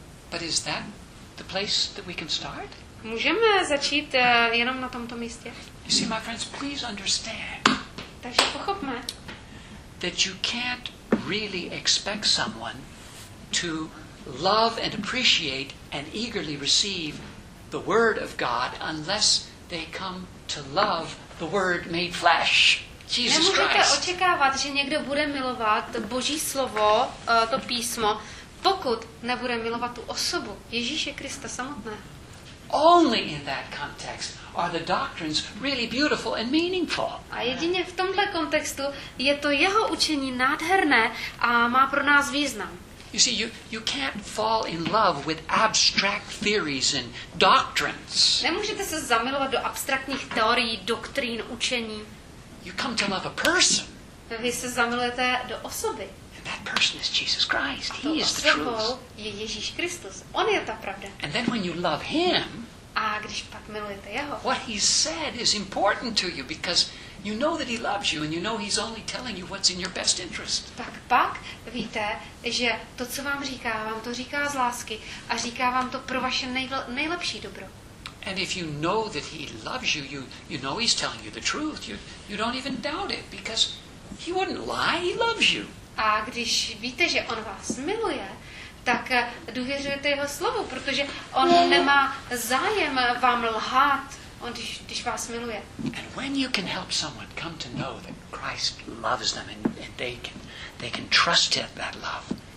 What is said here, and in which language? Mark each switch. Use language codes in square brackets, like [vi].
[en] But is that the place that we can start? [cs] Můžeme začít jenom na tomto místě? [en] You see, my friends, please understand. [cs] Takže pochopme. [en] That you can't really expect someone to love and appreciate and eagerly receive the word of God unless they come to love the word made flesh. [cs] Nemůžete očekávat, že někdo bude milovat Boží slovo, to písmo, pokud nebude milovat tu osobu, Ježíše Krista samotné. [en] Only in that context are the doctrines really beautiful and meaningful. [cs] A jedině v tomhle kontextu je to jeho učení nádherné a má pro nás význam. [en] You see, you can't fall in love with abstract theories and doctrines. [cs] Nemůžete se zamilovat do abstraktních teorií, doktrín, učení. [en] You come to love a person. [cs] Vy se zamilujete do osoby. [en] And that person is Jesus Christ. He is the truth. [cs] Je Ježíš Kristus. On je ta pravda. [en] And then when you love him, [cs] a když pak milujete jeho, [en] what he said is important to you because you know that he loves you and you know he's only telling you what's in your best interest. [cs] Pak víte, že to, co vám to říká z lásky a říká vám to pro vaše nejlepší dobro. [en] And if you know that he loves you, you know he's telling you the truth. You don't even doubt it because he wouldn't lie. He loves you. [cs] A když víte, že on vás miluje, tak důvěřujete jeho slovu, protože on nemá zájem vám lhát, on když vás miluje. [en] And when you can help someone come to know that Christ loves them and they can trust him, that love.